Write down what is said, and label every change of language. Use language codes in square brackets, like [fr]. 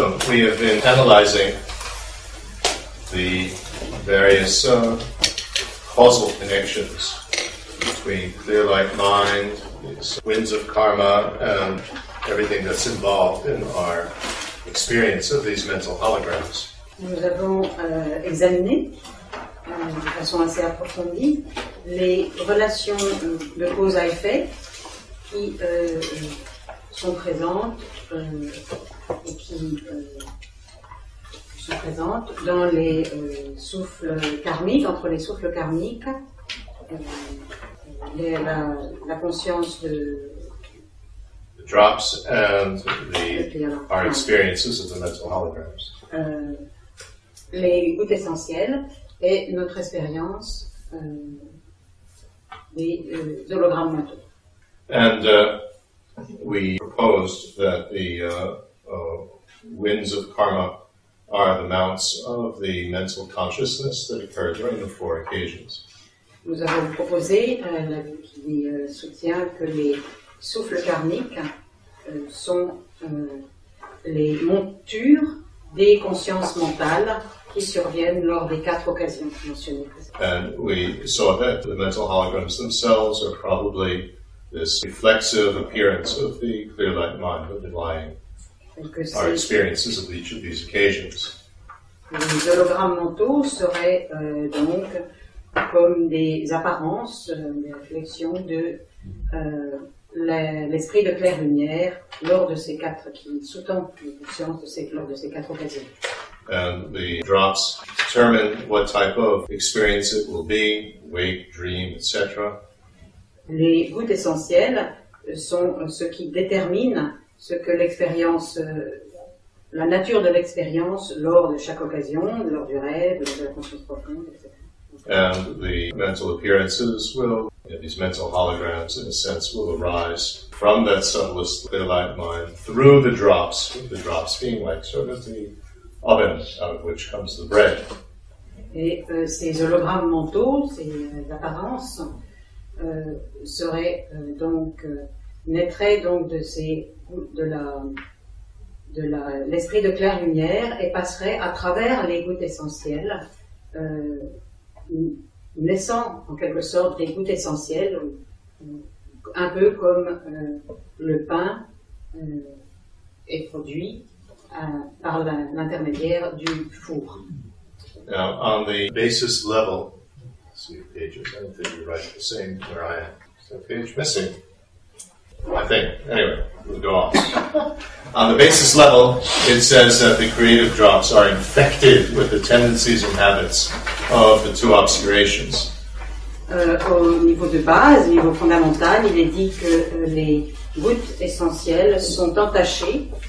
[en] we have been analyzing the various causal connections between clear light mind, these winds of karma, and everything that's involved in our experience of these mental holograms. [fr] Nous avons examiné de façon assez approfondie les relations de cause à effet qui sont présentes et qui sont présentes dans les souffles karmiques, entre les souffles karmiques, la conscience de [en] the drops and our experiences of the mental holograms. [fr] Les gouttes essentielles et notre expérience des hologrammes mentaux. [en] And we proposed that the winds of karma are the mounts of the mental consciousness that occur during the four occasions. [fr] Nous avons proposé qui soutient que les souffles karmiques sont les montures des consciences mentales qui surviennent lors des quatre occasions mentionnées. [en] And we saw that the mental holograms themselves are probably this reflexive appearance of the clear light mind underlying our experiences of each of these occasions. [fr] Les hologrammes mentaux seraient donc comme des apparences, des réflexions de l'esprit de clair lumière lors de ces quatre qui sous-tend l'expérience de ces lors de ces quatre occasions. [en] And the drops determine what type of experience it will be, wake, dream, etc. [fr] Les gouttes essentielles sont ce qui détermine ce que l'expérience, la nature de l'expérience lors de chaque occasion, lors du rêve, lors de la conscience profonde, etc. [en] And the mental appearances will, you know, these mental holograms, in a sense, will arise from that subtlest clear light mind through the drops, with the drops being like sort of the oven out of which comes the bread. [fr] Et ces hologrammes mentaux, ces apparences, seraient donc, naîtraient donc de ces, de l'esprit de claire lumière et passeraient à travers les gouttes essentielles, laissant en quelque sorte des gouttes essentielles, un peu comme le pain est produit par l'intermédiaire du four. [en] Now, on the basis level, let's see your pages, I don't think you write the same where I am. Is that page missing? I think. Anyway, we'll go on. On the basis level, it says that the creative drops are infected with the tendencies and habits of the two obscurations. [fr] Au niveau de base, niveau fondamental, il est dit que les gouttes essentielles sont entachées.